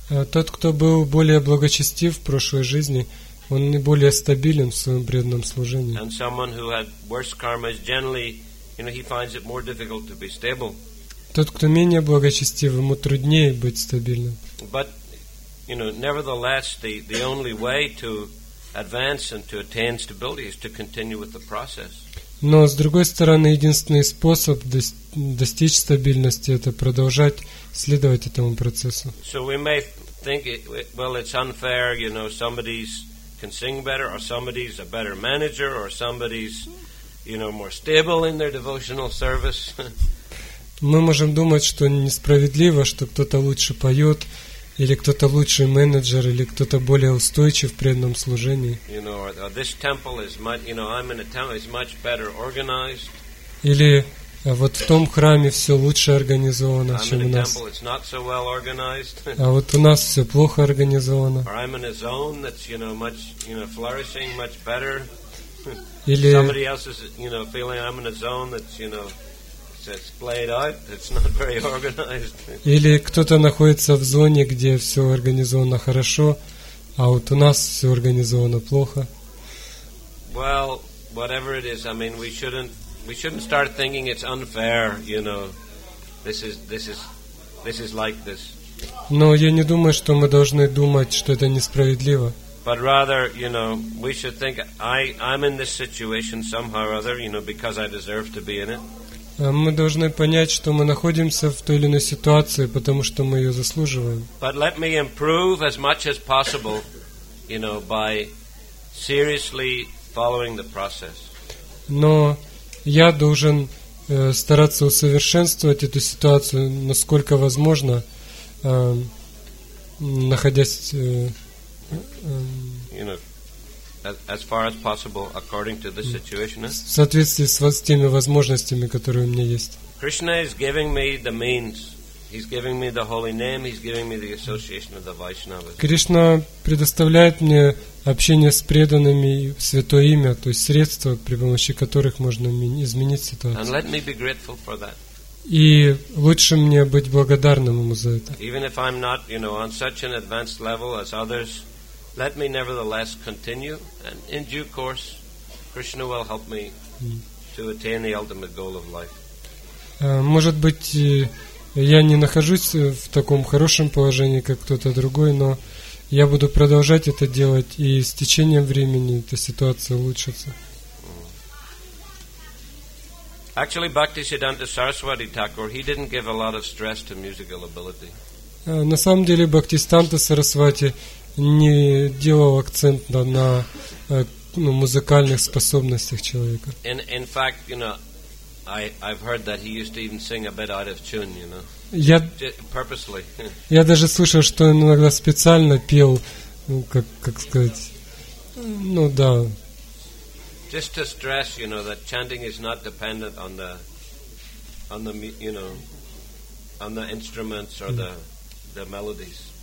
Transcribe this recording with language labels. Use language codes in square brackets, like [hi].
[ru] Тот, кто был более благочестив в прошлой жизни, он не более стабилен в своем преданном служении. [en] And someone who had worse karma is generally, you know, he finds it more difficult to be stable. [ru] Тот, кто менее благочестив, ему труднее быть стабильным. [en] But, you know, nevertheless, the only way to advance and to attain stability is to continue with the process. [ru] Но с другой стороны, единственный способ достичь стабильности – это продолжать следовать этому процессу. [en] So we may think, well, it's unfair, you know, somebody's can sing better, or somebody's a better manager, or somebody's, you know, more stable in their devotional service. [ru] Мы можем думать, что несправедливо, что кто-то лучше поет, или кто-то лучший менеджер, или кто-то более устойчив в преданном служении. [en] You know, this temple is much, you know, I'm in a temple, it's much better organized. [ru] Или вот в том храме все лучше организовано, [en] I'm [ru] чем [en] in [ru] у нас. [en] Temple, it's not so well organized. [ru] А вот у нас все плохо организовано. [en] Or I'm in a zone that's, you know, much, you know, flourishing, much better. [ru] Или [en] somebody else is, you know, feeling I'm in a zone that's, you know, it's played out, it's not very organized. [ru] Или кто-то находится в зоне, где все организовано хорошо, а вот у нас все организовано плохо. [en] Well, whatever it is, I mean, we shouldn't start thinking it's unfair, you know. This is like this. [ru] Но я не думаю, что мы должны думать, что это несправедливо. [en] But rather, you know, we should think I'm in this situation somehow or other, you know, because I deserve to be in it. [ru] Мы должны понять, что мы находимся в той или иной ситуации, потому что мы ее заслуживаем. [en] But let me improve as much as possible, you know, by seriously following the process. [ru] Но я должен стараться усовершенствовать эту ситуацию, насколько возможно, [en] As far as possible, according to the situation. [ru] В соответствии с теми возможностями, которые у меня есть. [en] Krishna is giving me the means. He's giving me the holy name. He's giving me the association of the Vaishnavas. [ru] Кришна предоставляет мне общение с преданными, святое имя, то есть средства, при помощи которых можно изменить ситуацию. [en] And let me be grateful for that. [ru] И лучше мне быть благодарным ему за это. [en] Even if I'm not, you know, on such an advanced level as others, let me nevertheless continue, and in due course, Krishna will help me to attain the ultimate goal of life. [ru] Может быть, я не нахожусь в таком хорошем положении, как кто-то другой, но я буду продолжать это делать, и с течением времени эта ситуация улучшится. [en] Actually, Bhaktisiddhanta Saraswati Thakur, he didn't give a lot of stress to musical ability. [ru] На самом деле, Бхактисиддханта Сарасвати не делал акцент на музыкальных способностях человека. [en] In fact, you know, I've heard that he used to even sing a bit out of tune, you know. Purposely. [ru] Я даже слышал, что он иногда специально пел, как сказать, да. [en] Just to stress, you know, that chanting is not dependent on the you know, on the instruments or the melodies.